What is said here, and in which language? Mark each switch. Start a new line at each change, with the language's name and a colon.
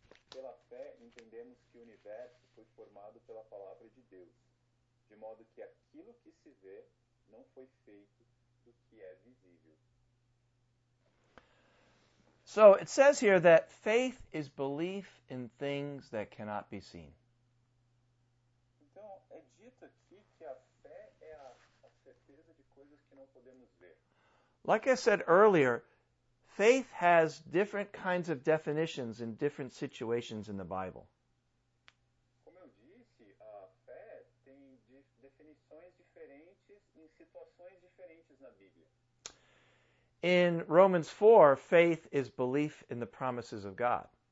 Portuguese: Pela fé, entendemos que o universo foi formado pela palavra de Deus, de modo que aquilo que se vê não foi feito do que é visível.
English: So, it says here that faith is belief in things that cannot be seen.
Portuguese: Então, é dito aqui que a fé é a certeza de coisas que não podemos ver.
English: Like I said earlier, faith has different kinds of definitions in different situations in the Bible.
Portuguese: Como eu disse, a fé tem definições diferentes em situações diferentes na Bíblia.
English: In Romans 4, faith is belief in the promises of God.